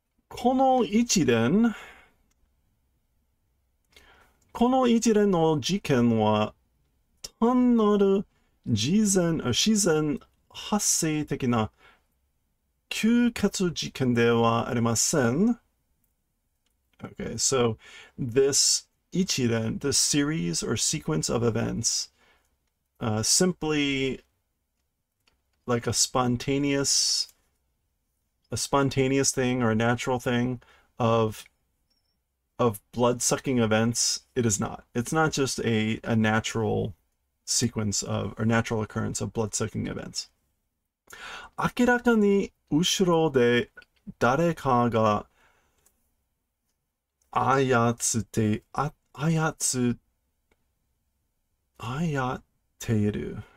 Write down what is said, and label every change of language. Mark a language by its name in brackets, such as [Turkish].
[Japanese] この一連の事件は単なる自然発生的な吸血事件ではありません。 [English] Okay, so this 一連, this series or sequence of events, simply like a spontaneous thing or a natural thing of blood-sucking events, it is not. It's not just a natural sequence of or natural occurrence of blood-sucking events. [Japanese] 明らかに後ろで誰かが操っている。